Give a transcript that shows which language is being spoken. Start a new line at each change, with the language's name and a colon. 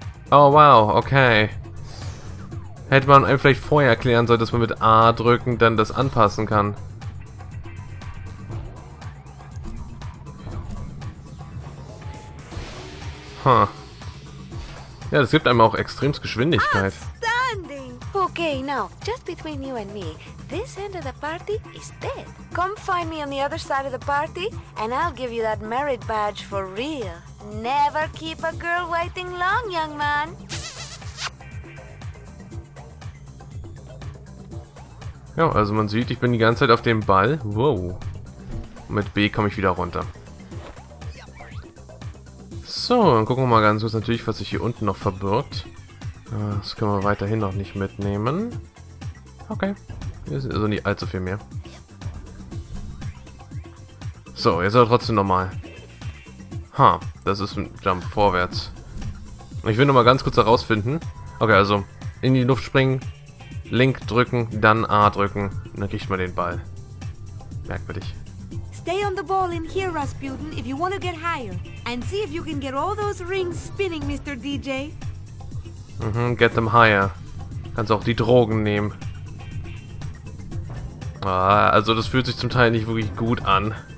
German: Oh wow, okay. Hätte man einem vielleicht vorher erklären sollen, dass man mit A drücken dann das anpassen kann. Huh. Ja, das gibt einem auch extremst Geschwindigkeit.
English: Outstanding! Okay, now, just between you and me. This end of the party is dead. Come find me on the other side of the party, and I'll give you that merit badge for real. Never keep a girl waiting long, young man.
German: Ja, also man sieht, ich bin die ganze Zeit auf dem Ball. Wow. Mit B komme ich wieder runter. So, dann gucken wir mal ganz kurz natürlich, was sich hier unten noch verbirgt. Das können wir weiterhin noch nicht mitnehmen. Okay. Hier ist also nicht allzu viel mehr. So, jetzt aber trotzdem nochmal. Ha, das ist ein Jump vorwärts. Ich will nochmal ganz kurz herausfinden. Okay, also in die Luft springen, Link drücken, dann A drücken. Und dann kriegt man den Ball. Merkwürdig.
English: Stay on the ball in here, Rasputin, if you want to get higher. And see if you can get all those rings spinning, Mr. DJ. Mhm, get them higher.
German: Kannst auch die Drogen nehmen. Ah, also das fühlt sich zum Teil nicht wirklich gut an.